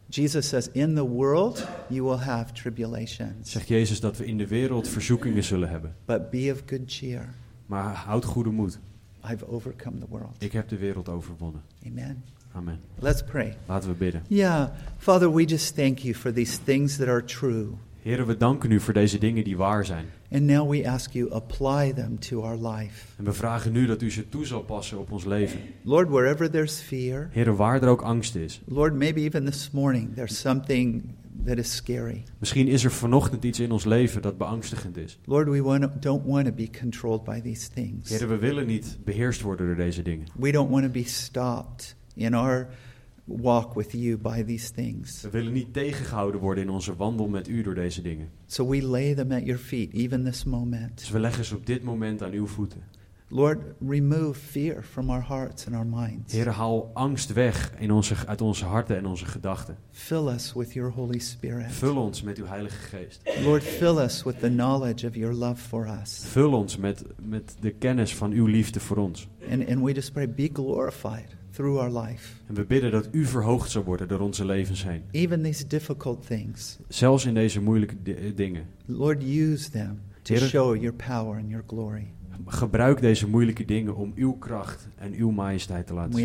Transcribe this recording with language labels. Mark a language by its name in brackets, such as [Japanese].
[English] Jesus says, "In the world you will have tribulations." [Dutch] Zegt Jezus dat we in de wereld verzoekingen zullen hebben. [English] But be of good cheer. [Dutch] Maar houd goede moed. [English] I've overcome the world. [Dutch] Ik heb de wereld overwonnen. [English] Amen. [Dutch] Amen. [English] Let's pray. [Dutch] Laten we bidden. [English] Yeah, Father, we just thank you for these things that are true. [Dutch] Heere, we danken u voor deze dingen die waar zijn. [English] And now we ask you apply them to our life. [Dutch] En we vragen nu dat u ze toe zal passen op ons leven. [English] Lord, wherever there's fear. [Dutch] Heere, waar er ook angst is. [English] Lord, maybe even this morning there's something that is scary. [Dutch] Misschien is er vanochtend iets in ons leven dat beangstigend is. [English] Lord, we don't want to be controlled by these things. [Dutch] Heere, we willen niet beheerst worden door deze dingen. [English] We don't want to be stopped in our walk with you by these things. [Dutch] We willen niet tegengehouden worden in onze wandel met u door deze dingen. [English] So we lay them at your feet, even this moment. [Dutch] Dus we leggen ze op dit moment aan uw voeten. [English] Lord, remove fear from our hearts and our minds. [Dutch] Heer, haal angst weg uit onze harten en onze gedachten. [English] Fill us with your Holy Spirit. [Dutch] Vul ons met uw Heilige Geest. [English] Lord, fill us with the knowledge of your love for us. [Dutch] Vul ons met de kennis van uw liefde voor ons. [English] And we just pray, be glorified. Through our life. [Dutch] En we bidden dat u verhoogd zou worden door onze levens heen. [English] Even these difficult things. [Dutch] Zelfs in deze moeilijke dingen. [English] Lord, use them to show your power and your glory. [Dutch] Gebruik deze moeilijke dingen om uw kracht en uw majesteit te laten zien.